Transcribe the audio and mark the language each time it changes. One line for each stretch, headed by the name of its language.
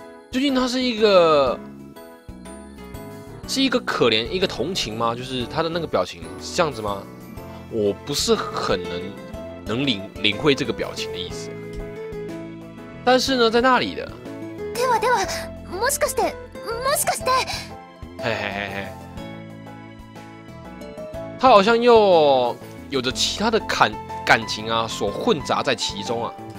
Chinese: 究竟她是一个可怜、一个同情吗？就是她的那个表情是这样子吗？我不是很能领会这个表情的意思。但是呢，在那里的。
Japanese: ではでは、もしかして、もしかして。嘿嘿嘿嘿。
Chinese: 他好像又有着其他的感情啊，所混杂在其中啊。